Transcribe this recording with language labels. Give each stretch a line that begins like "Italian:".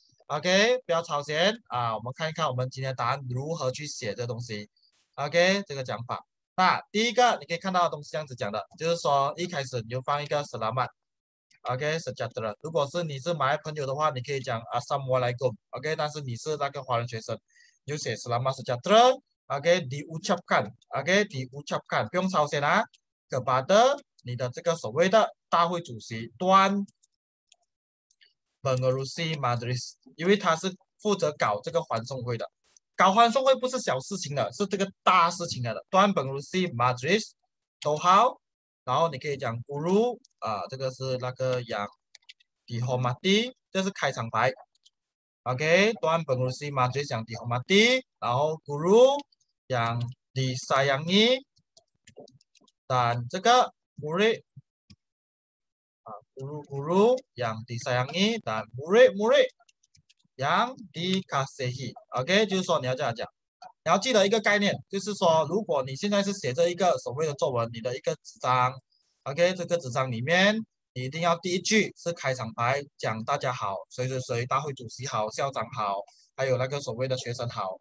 Chinese: OK， 不要吵闲啊，我们看一看我们今天答案如何去写这东西。 OK， 这个讲法，那第一个你可以看到的东西这样子讲的，就是说一开始你就放一个 selamat。OK， sejahtera。如果是你是马来朋友的话，你可以讲 assalamualaikum。OK， 但是你是那个华人学生，你就写
Malay: selamat sejahtera。
Chinese: OK， diucapkan， OK， diucapkan， 不用抄写啦。 kepada 你的这个所谓的大会主席 Tuan Pengerusi Madrasah， 因为他是负责搞这个欢送会的，搞欢送会不是小事情的，是这个大事情来的。 Tuan Pengerusi Madrasah， 都好，然后你可以讲 Guru， 啊，这个是那个
Malay: yang dihormati，
Chinese: 这是开场白。
Malay: OK， Tuan Pengerusi Madrasah yang dihormati， 然后 Guru yang disayangi， dan 这个 murid， 啊 ，guru-guru yang disayangi， dan murid-murid yang dikasihi。
Chinese: OK， 就是说你要这样讲，你要记得一个概念，就是说如果你现在是写这一个所谓的作文，你的一个纸张 ，OK， 这个纸张里面。你一定要第一句是开场白，讲大家好，谁谁谁，大会主席好，校长好，还有那个所谓的学生好。